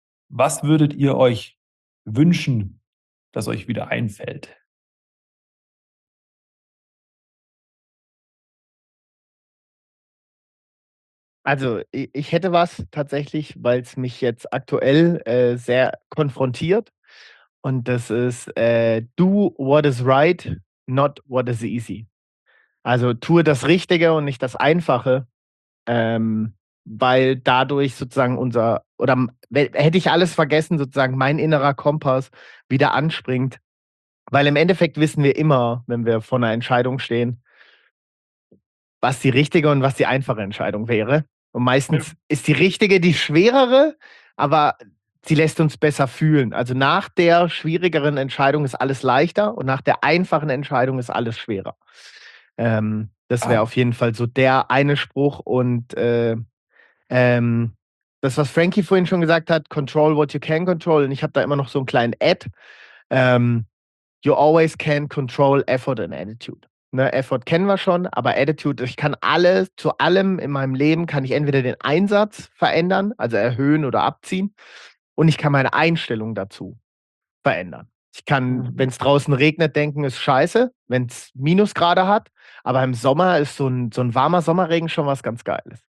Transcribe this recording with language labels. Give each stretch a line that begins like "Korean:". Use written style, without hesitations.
German: Was würdet ihr euch wünschen, dass euch wieder einfällt? Also ich hätte was tatsächlich, weil es mich jetzt aktuell sehr konfrontiert. Und das ist,
English: do what is right, not what is easy.
German: Also tue das Richtige und nicht das Einfache, weil dadurch sozusagen hätte ich alles vergessen, sozusagen mein innerer Kompass wieder anspringt. Weil im Endeffekt wissen wir immer, wenn wir vor einer Entscheidung stehen, was die richtige und was die einfache Entscheidung wäre. Und meistens ist die richtige die schwerere, aber sie lässt uns besser fühlen. Also nach der schwierigeren Entscheidung ist alles leichter und nach der einfachen Entscheidung ist alles schwerer. Das wäre auf jeden Fall so der eine Spruch. Und das, was Frankie vorhin schon gesagt hat,
English: control what you can control.
German: Und ich habe da immer noch so einen kleinen Ad.
English: You always can control effort and attitude.
German: Ne, Effort kennen wir schon, aber Attitude, ich kann alles, zu allem in meinem Leben kann ich entweder den Einsatz verändern, also erhöhen oder abziehen, und ich kann meine Einstellung dazu verändern. Ich kann, wenn es draußen regnet, denken, ist scheiße, wenn es Minusgrade hat, aber im Sommer ist so ein warmer Sommerregen schon was ganz Geiles.